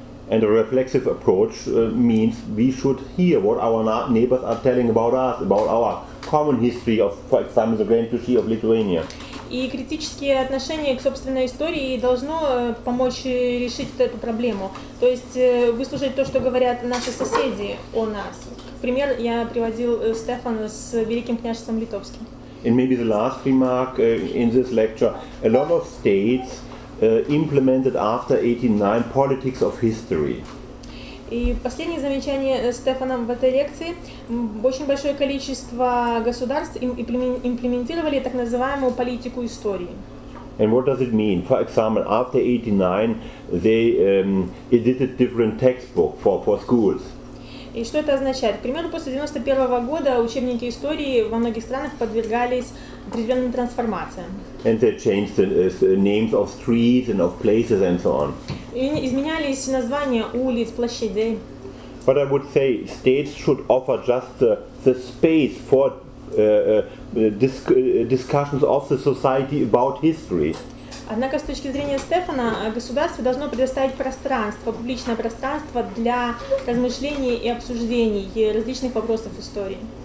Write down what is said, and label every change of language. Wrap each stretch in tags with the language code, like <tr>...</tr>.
<en>And a reflexive approach means we should hear what our neighbors are telling about us, about our common history of, for example, the Grand Duchy of Lithuania.</en> <ru>И критические отношения к собственной истории должно помочь решить эту проблему. То есть выслушать то, что говорят наши соседи о нас. Пример я приводил Стефана с Великим княжеством Литовским.</ru> <en>And maybe the last remark in this lecture. A lot of states implemented after 89 politics of history.</en> <ru>И последнее замечание Стефана в этой лекции. Очень большое количество государств имплементировали так называемую политику истории.</ru> <en>And what does it mean? For example, after 89 they edited different textbooks for schools.</en> <ru>И что это означает? К примеру, после 91 года учебники истории во многих странах подвергались определенным трансформациям.</ru> <en>And they changed the names of streets and of places and so on.</en> <ru>И изменялись названия улиц, площадей.</ru> <en>But I would say states should offer just the space for discussions of the society about history.</en> <ru>Однако, с точки зрения Стефана, государство должно предоставить пространство, публичное пространство для размышлений и обсуждений различных вопросов истории.</ru>